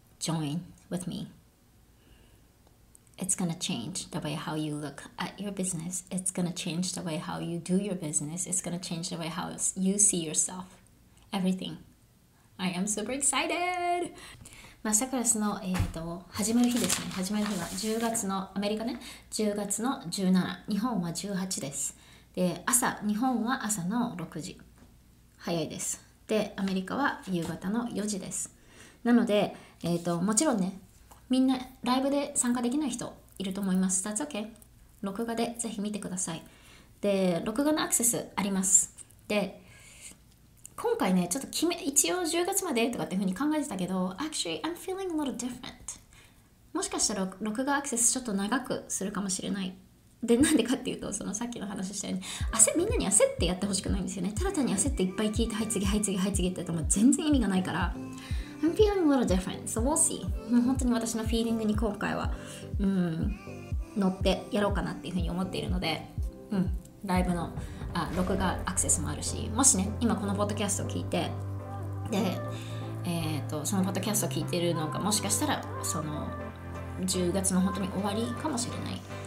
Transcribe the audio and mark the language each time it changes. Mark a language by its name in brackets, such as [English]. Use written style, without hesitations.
[English] Join with meIt's gonna change the way how you look at your business. It's gonna change the way how you do your business. It's gonna change the way how you see yourself. Everything. I am super excited! [Japanese] マスタークラスの、始まる日ですね。始まる日は10月の、アメリカね、10月の17、日本は18です。で、朝、日本は朝の6時。早いです。で、アメリカは夕方の4時です。なので、もちろんね、みんなライブで参加できない人いると思います。 [English] That's okay. [Japanese] 録画でぜひ見てください。で、録画のアクセスあります。で、今回ね、ちょっと一応10月までとかっていうふうに考えてたけど、 [English] Actually, I'm feeling a little different. [Japanese] もしかしたら録画アクセスちょっと長くするかもしれない。で、なんでかっていうと、そのさっきの話したように、みんなに焦ってやってほしくないんですよね。ただ単に焦っていっぱい聞いて、はい次、はい次、はい次ってやったら全然意味がないから。 [English] I'm feeling a little different, so we'll see. [Japanese] もう本当に私のフィーリングに今回は、乗ってやろうかなっていうふうに思っているので、ライブの録画アクセスもあるし、もしね、今このポッドキャストを聞いて、で、そのポッドキャストを聞いているのが、もしかしたら、その、10月の本当に終わりかもしれない。